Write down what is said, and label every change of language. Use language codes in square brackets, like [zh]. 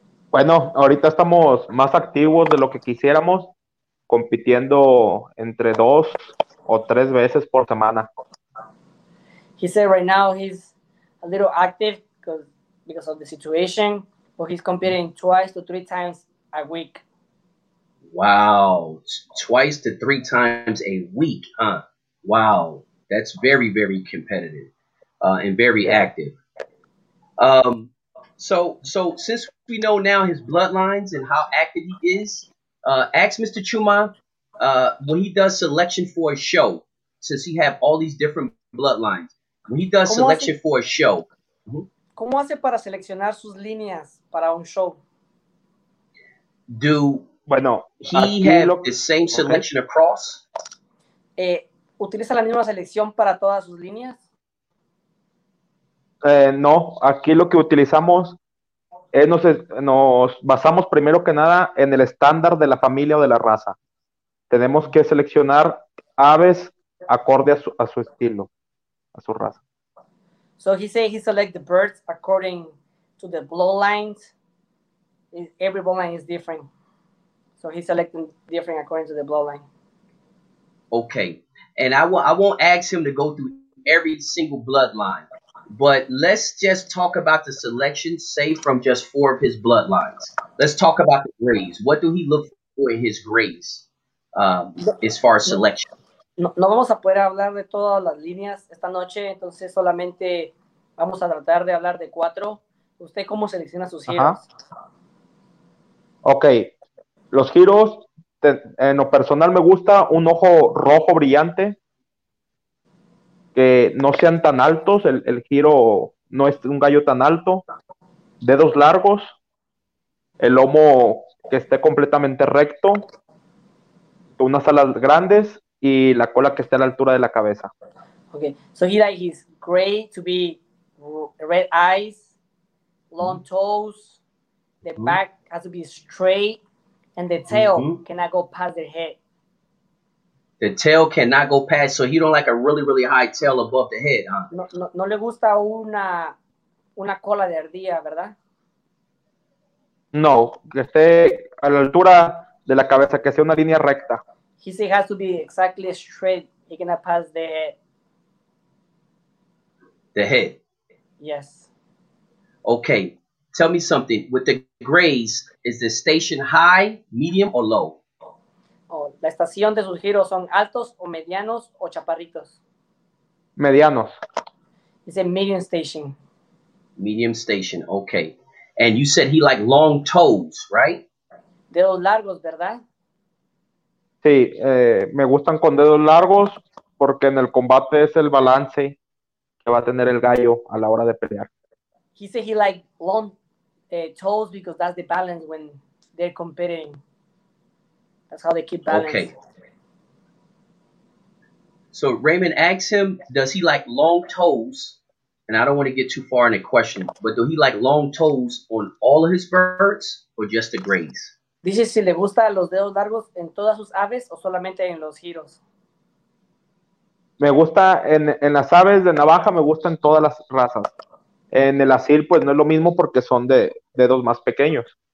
[es] Bueno, ahorita estamos más activos de lo que quisiéramos, compitiendo entre dos o tres veces por semana. [en] He said right now he's a little active because of the situation, but he's competing twice to three times a week. Wow, twice to three times a week, huh? Wow, that's very, very competitive and very active. So since we know now his bloodlines and how active he is, ask Mr. Chuma, when he does selection for a show, since he have all these different bloodlines, when he does selection for a show. [es] ¿Cómo hace para seleccionar sus líneas para un show? [en] Does he have the same selection across? [es] ¿Utiliza la misma selección para todas sus líneas? No, aquí lo que utilizamos es nos basamos primero que nada en el estándar de la familia o de la raza. Tenemos que seleccionar aves acorde a su estilo, a su raza. [en] So he said he select the birds according to the bloodlines. Every bloodline is different. So he selecting different according to the bloodline. Okay. And I won't ask him to go through every single bloodline, but let's just talk about the selection, say, from just four of his bloodlines. Let's talk about the grades. What do he look for in his grades as far as selection? [es] No vamos a poder hablar de todas las líneas esta noche, entonces solamente vamos a tratar de hablar de cuatro. ¿Usted cómo selecciona sus giros? [en] Okay. [es] Los giros, en lo personal me gusta un ojo rojo brillante, que no sean tan altos, el giro no es un gallo tan alto, dedos largos, el lomo que esté completamente recto, unas alas grandes y la cola que esté a la altura de la cabeza. [en] Okay, so he likes his gray to be red eyes, long toes, the back has to be straight, and the tail cannot go past the head. The tail cannot go past, so he don't like a really, really high tail above the head, huh? [es] No le gusta una cola de ardilla, ¿verdad? No, que esté a la altura de la cabeza, que sea una línea recta. [en] He said it has to be exactly straight. He cannot pass the head. The head? Yes. Okay, tell me something. With the grays, is the station high, medium, or low? [es] La estación de sus giros son altos o medianos o chaparritos. Medianos. [en] It's a medium station. Medium station, okay. And you said he like long toes, right? [es] Dedos largos, ¿verdad? Sí, me gustan con dedos largos porque en el combate es el balance que va a tener el gallo a la hora de pelear. [en] He said he like long toes because that's the balance when they're competing. That's how they keep balance. Okay. So Raymond asks him, does he like long toes? And I don't want to get too far in a question, but do he like long toes on all of his birds or just the grays? [es] Dice si le gusta los dedos largos en todas sus aves o solamente en los giros. Me gusta en las aves de navaja, me gusta en todas las razas. En el asil, pues no es lo mismo porque son de dedos más pequeños.